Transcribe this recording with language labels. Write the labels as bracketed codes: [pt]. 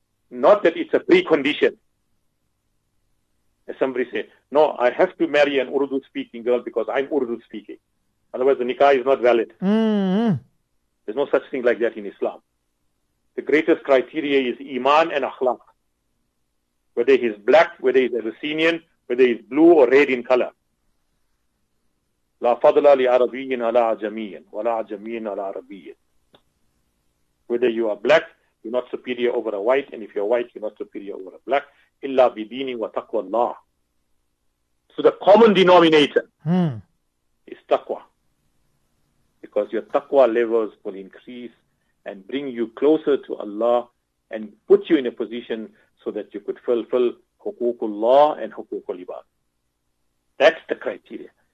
[en] Not that it's a precondition. As somebody said, no, I have to marry an Urdu-speaking girl because I'm Urdu-speaking. Otherwise, the nikah is not valid. Mm-hmm. There's no such thing like that in Islam. The greatest criteria is iman and akhlaq. Whether he's black, whether he's Abyssinian, whether he's blue or red in color. [ar] لا فضل لعربي على عجمي ولا عجمي على عربي. [en] Whether you are black, you're not superior over a white, and if you're white, you're not superior over a black. [ar] إلا بديني وتقوى الله. [en] So the common denominator is taqwa. Because your taqwa levels will increase and bring you closer to Allah and put you in a position so that you could fulfill huququllah and huququl ibad. That's the criteria.